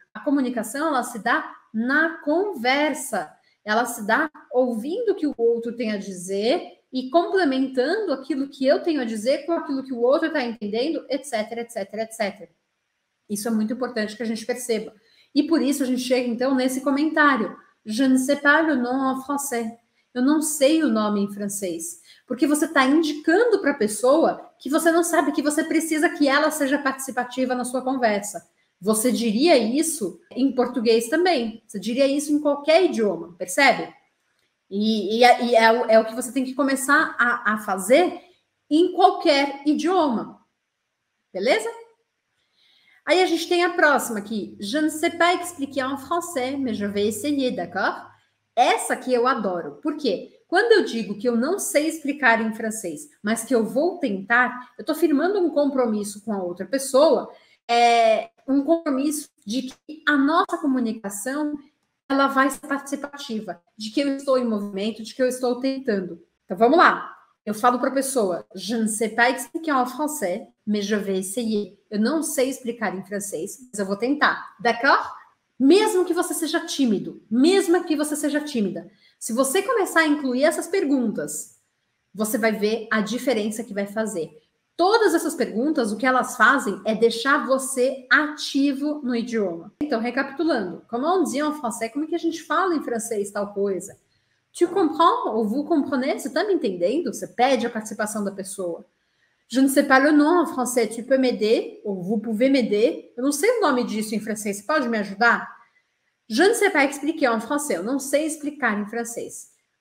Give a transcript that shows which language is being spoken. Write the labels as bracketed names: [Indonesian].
[Portuguese] A comunicação, ela se dá na conversa. Ela se dá ouvindo o que o outro tem a dizer e complementando aquilo que eu tenho a dizer com aquilo que o outro está entendendo, etc, etc, etc. Isso é muito importante que a gente perceba. E por isso a gente chega, então, nesse comentário. [French] Je ne sais pas le nom en français. [Portuguese] Eu não sei o nome em francês. Porque você está indicando para a pessoa que você não sabe, que você precisa que ela seja participativa na sua conversa. Você diria isso em português também. Você diria isso em qualquer idioma, percebe? E é o que você tem que começar a fazer em qualquer idioma. Beleza? Aí a gente tem a próxima aqui. [French] Je ne sais pas expliquer en français, mais je vais essayer, d'accord? [Portuguese] Essa aqui eu adoro. Por quê? Quando eu digo que eu não sei explicar em francês, mas que eu vou tentar, eu estou firmando um compromisso com a outra pessoa. É um compromisso de que a nossa comunicação, ela vai ser participativa, de que eu estou em movimento, de que eu estou tentando. Então, vamos lá. Eu falo para a pessoa, [French] je ne sais pas expliquer en français, mais je vais essayer. [Portuguese] Eu não sei explicar em francês, mas eu vou tentar. [French] D'accord? [Portuguese] Mesmo que você seja tímido, mesmo que você seja tímida, se você começar a incluir essas perguntas, você vai ver a diferença que vai fazer. Todas essas perguntas, o que elas fazem é deixar você ativo no idioma. Então, recapitulando. [French] Comment on dit en français? [Portuguese] Como é que a gente fala em francês tal coisa? [French] Tu comprends ou vous comprenez? [Portuguese] Você está me entendendo? Você pede a participação da pessoa. [French] Je ne sais pas le nom en français. Tu peux m'aider ou vous pouvez m'aider? [Portuguese] Eu não sei o nome disso em francês. Você pode me ajudar? [French] Je ne sais pas expliquer en français. [Portuguese] Eu não sei explicar em francês.